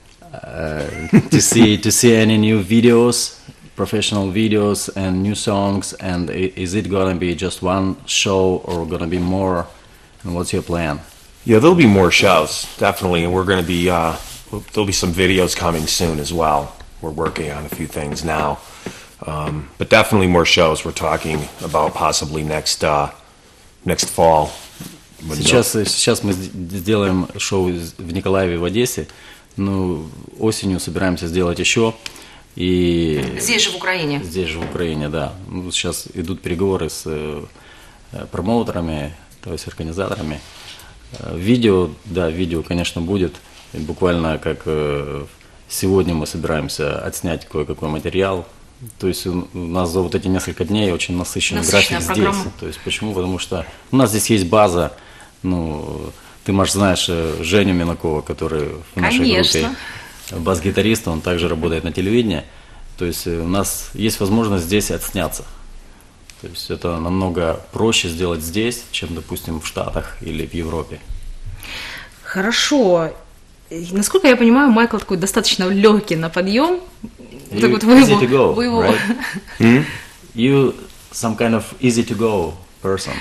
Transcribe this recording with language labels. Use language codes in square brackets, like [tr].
[en] to see any new videos, professional videos and new songs, and is it gonna be just one show or gonna be more, and what's your plan? Yeah, there'll be more shows, definitely, and we're gonna be there'll be some videos coming soon as well. We're working on a few things now, but definitely more shows. We're talking about possibly next fall. [ru] Сейчас мы сделаем шоу в Николаеве, в Одессе. Ну, осенью собираемся сделать еще. И... Здесь же в Украине. Здесь же в Украине, да. Ну, сейчас идут переговоры с промоутерами, то есть организаторами. Видео, да, видео, конечно, будет. Буквально как Сегодня мы собираемся отснять кое-какой материал. То есть у нас за вот эти несколько дней очень насыщенный график программа. Здесь. То есть почему? Потому что у нас здесь есть база. Ну, ты, Маш, знаешь Женю Минакова, который в нашей группе бас-гитарист, он также работает на телевидении. То есть у нас есть возможность здесь отсняться. То есть это намного проще сделать здесь, чем, допустим, в Штатах или в Европе. Хорошо. И, насколько я понимаю, Майкл такой достаточно легкий на подъем. [en] You [ru] так вот вы [en] easy [ru] его, [en] to go, [ru] вы его... [en] right? Hmm? You some kind of easy to go person.